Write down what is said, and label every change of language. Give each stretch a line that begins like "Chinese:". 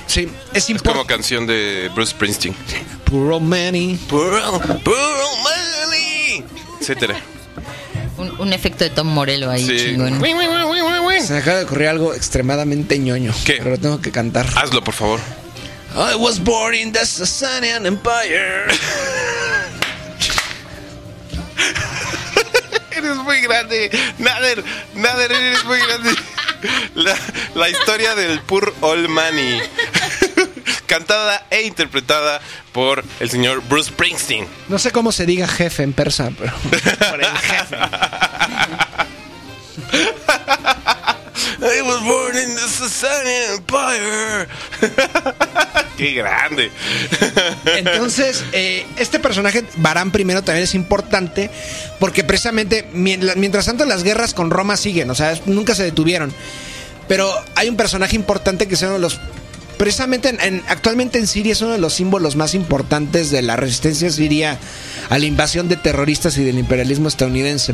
Spanish: Sí, es importante. Es como canción de Bruce Springsteen.
English: Poor old Mani. Poor old Mani. Etcétera.
Spanish: Un efecto de Tom Morello ahí, sí. Se me acaba de ocurrir algo extremadamente ñoño. ¿Qué? Pero lo tengo que cantar. Hazlo, por favor.
English: I was born in the Sasanian Empire.
Spanish: Eres muy grande, Nader. Nader, eres muy grande. La historia del Poor Old Mani, cantada e interpretada por el señor Bruce Springsteen. No sé cómo se diga jefe en persa, pero por el jefe.
English: I was born in the Sasanian Empire.
Spanish: ¡Qué grande! Entonces, este personaje, Bahram I, también es importante porque precisamente, mientras tanto, las guerras con Roma siguen, o sea, nunca se detuvieron. Pero hay un personaje importante que son los... Precisamente actualmente en Siria es uno de los símbolos más importantes de la resistencia siria a la invasión de terroristas y del imperialismo estadounidense.